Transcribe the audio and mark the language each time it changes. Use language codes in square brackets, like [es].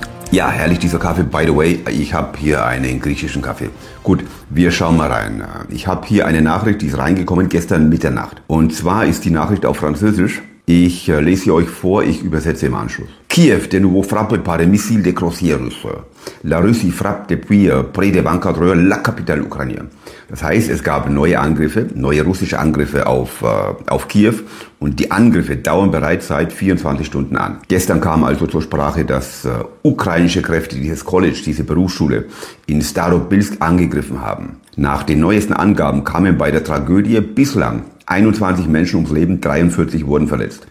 [de] Ja, herrlich dieser Kaffee. [en] By the way, [de] ich habe hier einen griechischen Kaffee. Gut, wir schauen mal rein. Ich habe hier eine Nachricht, die ist reingekommen gestern Mitternacht. Und zwar ist die Nachricht auf Französisch. Ich lese sie euch vor, ich übersetze im Anschluss. [fr] Kiev, de nouveau frappé par des missiles de croisière russe. La Russie frappe depuis près de 24 heures la capitale ukrainienne. [de] Das heißt, es gab neue Angriffe, neue russische Angriffe auf Kiew und die Angriffe dauern bereits seit 24 Stunden an. Gestern kam also zur Sprache, dass ukrainische Kräfte dieses College, diese Berufsschule in Starobilsk angegriffen haben. Nach den neuesten Angaben kamen bei der Tragödie bislang 21 Menschen ums Leben, 43 wurden verletzt.